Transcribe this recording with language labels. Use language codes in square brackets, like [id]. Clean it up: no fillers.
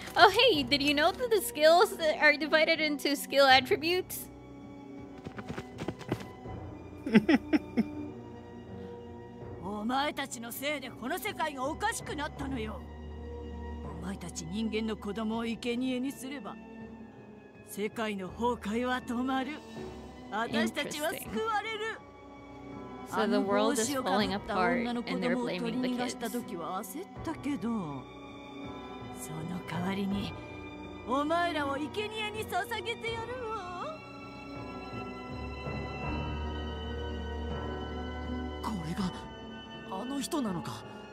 [en] Oh hey, did you know that the skills are divided into skill attributes? [ja] お前たちのせいでこの世界がおかしくなったのよ。お前たち人間の子供を生贄にすれば世界の崩壊は止まる。私たちは救われる。 [en] So the world is falling apart and they're blaming the kids. [ja] 時は焦ったけど、その代わりにお前らを生贄に捧げてやるわ。これがあの人なのか。